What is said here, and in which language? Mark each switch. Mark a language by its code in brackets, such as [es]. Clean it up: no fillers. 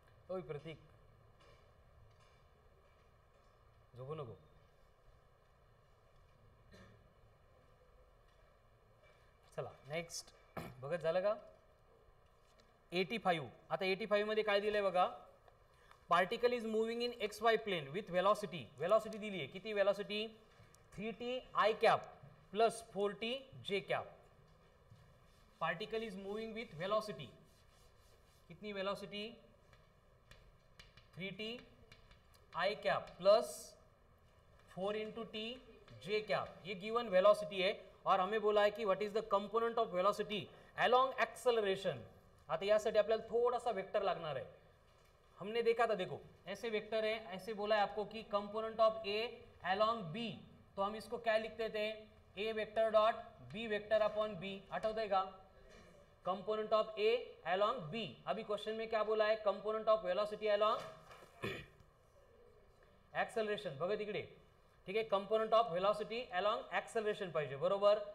[mr] ओ प्रतीक झोपू नको, चला नेक्स्ट बघत झालं का. [en] 85 [mr] आता 85 मध्ये काय दिलंय बघा, [en] particle is moving in x y plane with velocity, velocity [mr] दिली आहे किती, [en] Velocity three t i cap plus four t j cap. Particle is moving with velocity, कितनी velocity, three t i cap plus four into t [hi] J cap, ये given velocity है और हमें बोला है कि [en] What is the component of velocity along acceleration. [mr] आता यासाठी आपल्याला [hi] थोड़ा सा [mr] वेक्टर लागणार आहे। [hi] हमने देखा था, देखो ऐसे वेक्टर है, ऐसे बोला है आपको कि [en] component of A along B, [hi] तो हम इसको क्या लिखते थे, ए vector dot B vector upon B, आठवतेगा component of a along B. अभी क्वेश्चन में क्या बोला है, component of velocity along acceleration, [mr] बघा तिकडे [hi] ठीक है, component of velocity along acceleration [mr] पाहिजे बरोबर।